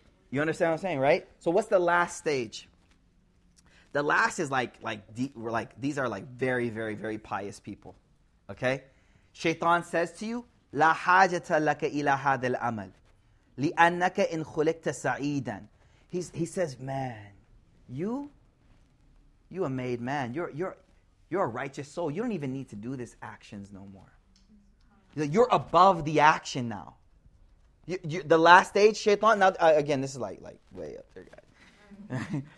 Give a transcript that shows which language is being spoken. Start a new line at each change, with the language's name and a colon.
English: You understand what I'm saying, right? So what's the last stage? The last is like these are like very, very, very pious people. Okay? Shaitan says to you,
Arabic: لا حاجة لك إلى هذا العمل لأنك إن خلقت سعيدا.
English: He says, man, you a made man. You're a righteous soul. You don't even need to do this actions no more. You're above the action now. You, the last stage, Shaitan, now again, this is like way up there, guys.